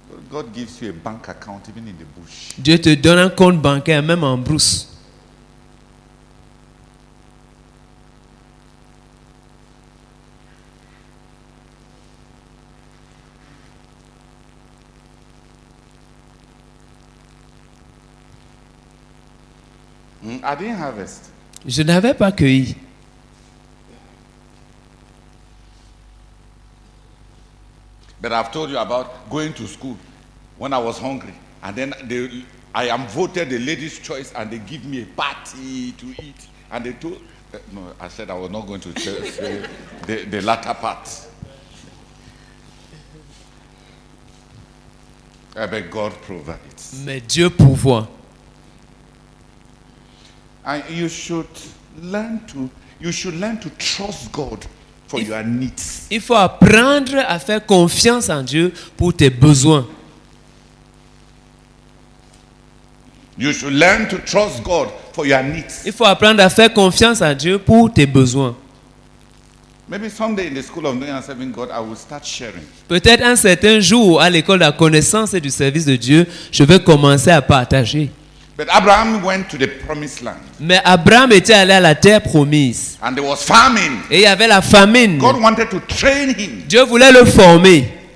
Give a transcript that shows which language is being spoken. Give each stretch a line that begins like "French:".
English: God gives you a bank account even in the bush.
French: Dieu te donne un compte bancaire même en brousse.
English: I didn't harvest.
French: Je n'avais pas cueilli.
English: But I've told you about going to school when I was hungry, and then I am voted the lady's choice, and they give me a party to eat, and they told. No, I said I was not going to say the latter part. But God provides.
French: Mais Dieu pourvoit.
English: And you should learn to trust God for your needs.
French: Il faut apprendre à faire confiance en Dieu pour tes besoins.
English: You should learn to trust God for your needs.
French: Il faut apprendre à faire confiance en Dieu pour tes besoins.
English: Maybe someday in the school of knowing and serving God, I will start sharing.
French: Peut-être un certain jour à l'école de la connaissance et du service de Dieu, je vais commencer à partager.
English: But Abraham went to the promised land.
French: Mais Abraham était allé à la terre promise.
English: And there was famine.
French: Et il y avait la famine.
English: God wanted to train him.
French: Dieu voulait le former.